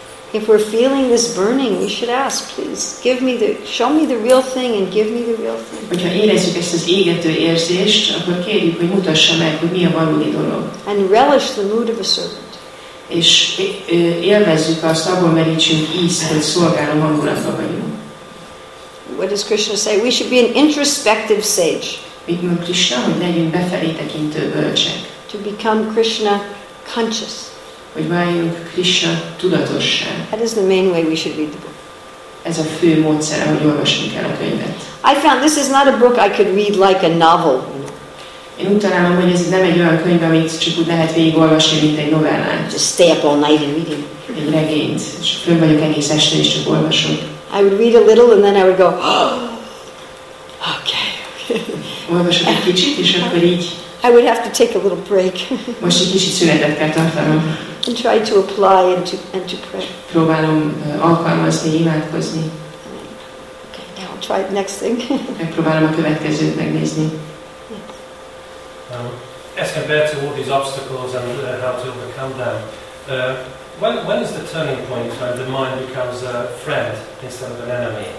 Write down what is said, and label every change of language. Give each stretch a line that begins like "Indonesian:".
English: If we're feeling this burning, we should ask, please, give me the, show me the real thing and give me the real thing.
Hungarian: Hogyha érezzük ezt az égető érzést, akkor kérjük, hogy mutassa meg, hogy mi a valódi dolog.
English: And relish the mood of a servant.
Hungarian: És élvezzük azt, abból merítsünk ízt, hogy szolgáló hangulatban vagyunk.
English: What does Krishna say? We should be an introspective sage.
Hungarian: Mit mond Krishna, hogy legyünk befelé tekintő bölcsek.
English: To become Krishna conscious.
Hungarian: Hogy váljunk Krishna tudatossá.
English: That is the main way we should read the book.
Hungarian: Ez a fő módszer, ahogy olvasni kell a könyvet.
English: I found this is not a book I could read like a novel.
Hungarian: Én úgy találom, hogy ez nem egy olyan könyv, amit csak úgy lehet végigolvasni, mint egy novellát.
English: Just stay up all night and read it.
Hungarian: Egy regényt. És fönn vagyok egész este, és csak olvasom.
English: I would read a little, and then I would go, oh, okay.
Hungarian: Olvasok egy kicsit, és akkor így.
English: I would have to take a little break.
Hungarian: Most egy kicsit szünetet kell tartanom.
English: And try to apply and to pray.
Hungarian: Próbálom alkalmazni, imádkozni.
English: Okay, now I'll try the next thing.
Hungarian: Megpróbálom a következőt megnézni.
English: As compared to all these obstacles and how to overcome them, when is the turning point when the mind becomes a friend instead of an enemy?